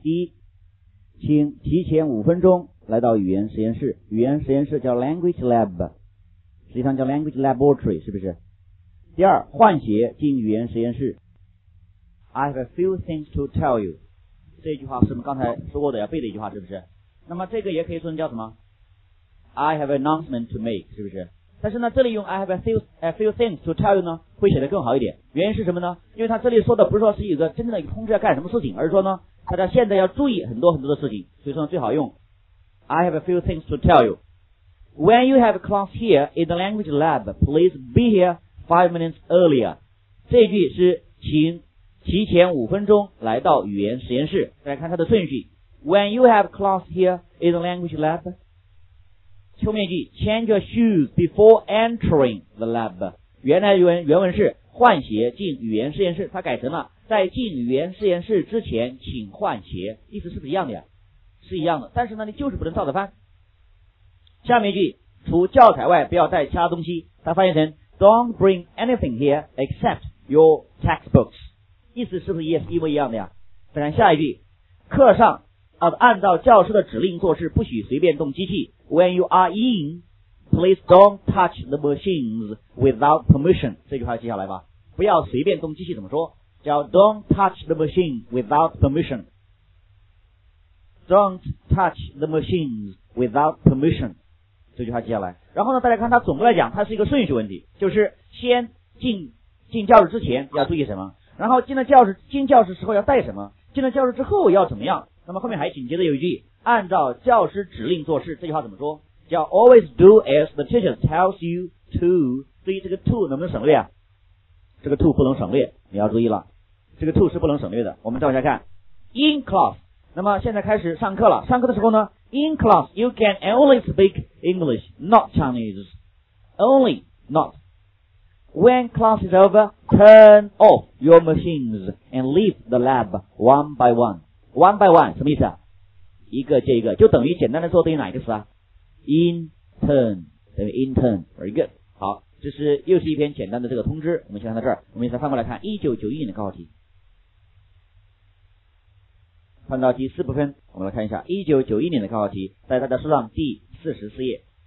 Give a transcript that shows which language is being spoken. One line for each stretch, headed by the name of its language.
Chinese: 一，请提前5分钟来到语言实验室，语言实验室叫 language lab， 实际上叫 language laboratory， 是不是？第二，换鞋进语言实验室。
English: I have a few things to tell you，
Chinese: 这句话是我们刚才说过的要背的一句话，是不是？那么这个也可以说成叫什么？
English: I have an announcement to make，
Chinese: 是不是？但是呢这里用
English: I have a few things to tell you
Chinese: 呢会写得更好一点，原因是什么呢？因为他这里说的不是说是一个真正的一个通知要干什么事情，而是说呢大家现在要注意很多很多的事情，所以说呢最好用
English: I have a few things to tell you. When you have a class here in the language lab, please be here 5 minutes earlier.
Chinese: 这句是请提前五分钟来到语言实验室。大家看它的顺序。
English: When you have class here in the language lab,
Chinese: 后面一句
English: change your shoes before entering the lab.
Chinese: 原文是换鞋进语言实验室，它改成了在进语言实验室之前请换鞋，意思是不是一样的呀？是一样的，但是呢你就是不能照着翻。下面一句，除教材外不要带其他东西，它翻译成
English: Don't bring anything here except your textbooks，
Chinese: 意思是不是也是一模一样的呀？当然下一句，课上按照教师的指令做事，不许随便动机器。
English: When you are in, please don't touch the machines without permission，
Chinese: 这句话记下来吧，不要随便动机器怎么说，叫
English: Don't touch the machine without permission。 Don't touch the machines without permission，
Chinese: 这句话接下来。然后呢，大家看它总的来讲，它是一个顺序问题，就是先进教室之前要注意什么，然后进教室之后要带什么，进了教室之后要怎么样。那么后面还紧接着有一句，按照教师指令做事，这句话怎么说？叫
English: Always do as the teacher tells you to。
Chinese: 注意这个 to 能不能省略啊？这个 to 不能省略，你要注意了，这个 to 是不能省略的。我们照下看
English: ，In class。
Chinese: 那么现在开始上课了，上课的时候呢
English: ，In class you can only speak English, not Chinese. Only, not. When class is over, turn off your machines and leave the lab one by one. One by one
Chinese: 什么意思啊？一个接一个，就等于简单的说等于哪一个词啊
English: ？Intern
Chinese: 等于
English: intern. Very good.
Chinese: 好，这是又是一篇简单的这个通知。我们先看到这儿，我们再翻过来看1991年的高考题。看到第四部分，我们来看一下1991年的高考题，在大家书上第44页。